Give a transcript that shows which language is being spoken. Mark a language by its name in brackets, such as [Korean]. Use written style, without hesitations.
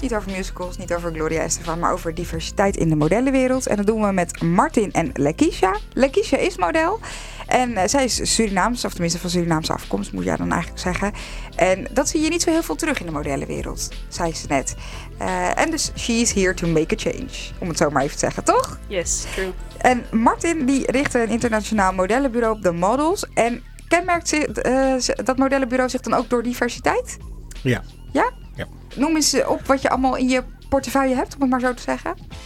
[Dutch] Niet over musicals, niet over Gloria Estefan, maar over diversiteit in de modellenwereld. En dat doen we met Martin en Lekisha. Lekisha is model. En zij is Surinaams, of tenminste van Surinaamse afkomst, moet jij dan eigenlijk zeggen. En dat zie je niet zo heel veel terug in de modellenwereld, zei ze net. En dus, [English] she is here to make a change. [Dutch] Om het zo maar even te zeggen, toch? [English] Yes, true. [Dutch] En Martin, die richtte een internationaal modellenbureau op The Models. En kenmerkt dat modellenbureau zich dan ook door diversiteit? Ja. Ja? Ja. Noem eens op wat je allemaal in je portefeuille hebt, om het maar zo te zeggen.